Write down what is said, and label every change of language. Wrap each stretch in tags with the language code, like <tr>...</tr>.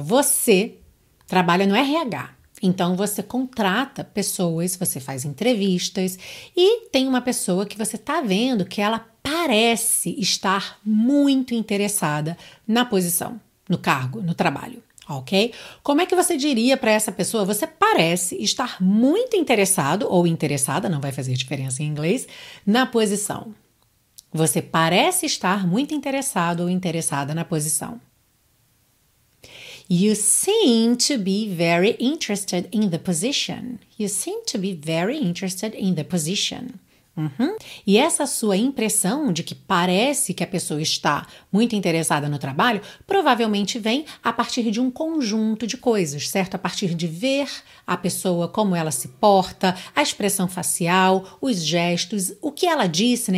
<pt>Você trabalha no RH, então você contrata pessoas, você faz entrevistas e tem uma pessoa que você está vendo que ela parece estar muito interessada na posição, no cargo, no trabalho. Ok? Como é que você diria para essa pessoa? Você parece estar muito interessado ou interessada, não vai fazer diferença em inglês, na posição. Você parece estar muito interessado ou interessada na posição.</pt> <en>You seem to be very interested in the position. You seem to be very interested in the position. Uhum.</en> <pt>E essa sua impressão de que parece que a pessoa está muito interessada no trabalho, provavelmente vem a partir de um conjunto de coisas, certo? A partir de ver a pessoa, como ela se porta, a expressão facial, os gestos, o que ela disse, né?</pt>